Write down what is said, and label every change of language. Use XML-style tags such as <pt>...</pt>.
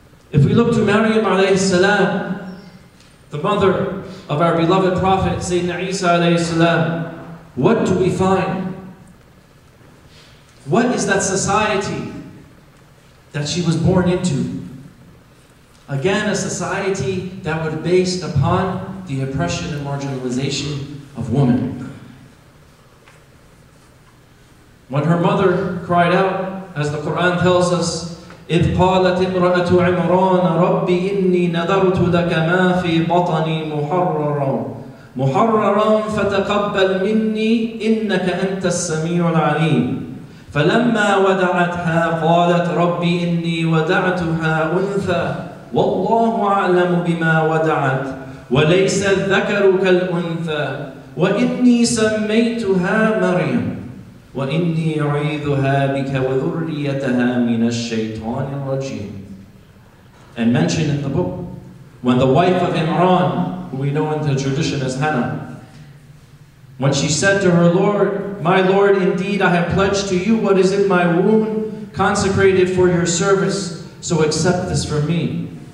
<en>If we look to Maryam alayhi salam, the mother of our beloved Prophet Sayyidina Isa alayhi salam, what do we find? What is that society that she was born into? Again, a society that was based upon the oppression and marginalization of women. When her mother cried out, as the Quran tells us,</en> <ar>إِذْ قَالَتْ إِمْرَأَةُ عِمْرَانَ رَبِّ إِنِّي نَذَرْتُ لَكَ مَا فِي بَطَنِي مُحَرَّرًا مُحَرَّرًا فَتَقَبَّلْ مِنِّي إِنَّكَ أَنْتَ السَّمِيعُ الْعَلِيمُ فَلَمَّا وَدَعَتْهَا قَالَتْ رَبِّ إِنِّي وَدَعْتُهَا أُنْثَى وَاللَّهُ أَعْلَمُ بِمَا وَدَعَتْ وَلَيْسَ الذَّكَرُ كَالْأُنْثَى وَإِنِّي سَمَّيْتُهَا مَرْيَمُ وَإِنِّي أَعِيذُهَا بِكَ وَذُرِّيَّتَهَا مِنَ الشَّيْطَانِ الرَّجِيمِ.</ar> <en>And mentioned in the book, when the wife of Imran, who we know in the tradition as Hannah, when she said to her Lord, my Lord, indeed I have pledged to you what is in my womb, consecrated for your service, so accept this from me.</en>